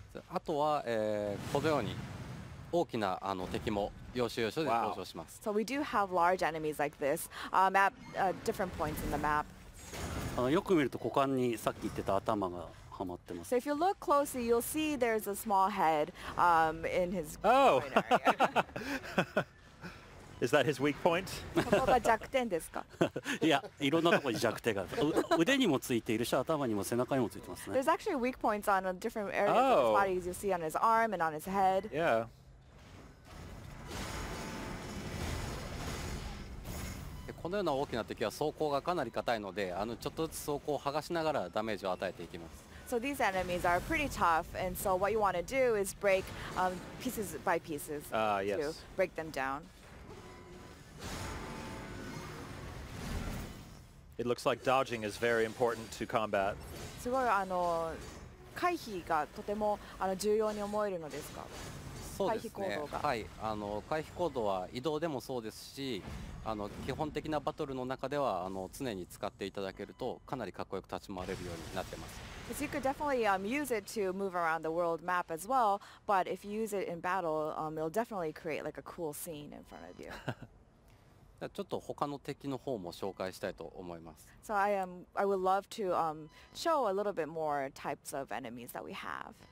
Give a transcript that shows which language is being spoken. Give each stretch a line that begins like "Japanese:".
Japanese: あとは、このように大きなあの敵も要所要所で登場します。
English: So we do have large enemies like this, at different points in the map.
Japanese: よく見ると股間にさっき言ってた頭がはまってます。
English: So if you look closely, you'll see there's a small head, in his. Oh. Is that his weak point?
Japanese: ここが弱点ですか？いや、いろんなところに弱点がある。腕にもついているし、頭にも背中にもついてますね。
English: There's actually weak points on different areas of his body, as you see on his arm and on his head. Yeah.
Japanese: このような大きな敵は装甲がかなり硬いので、あのちょっとずつ装甲を剥がしながらダメージを与えていきます。
English: So these enemies are pretty tough, and so what you want to do is break pieces by pieces to break them down. It looks like dodging is very important to combat.
Japanese: すごいあの回避がとてもあの重要に思えるのですか？そうですね、はい、あの回避行動は移動でもそうですし、あの基本的なバトルの中ではあの常に使っていただけるとかなりかっこよく立ち回れるようになってます。
English: Because you could definitely use it to move around the world map as well, but if you use it in battle, it'll definitely create like a cool scene in front of you.
Japanese: ちょっと他の敵の方も紹介したいと思います。
English: So I would love to show a little bit more types of enemies that we have.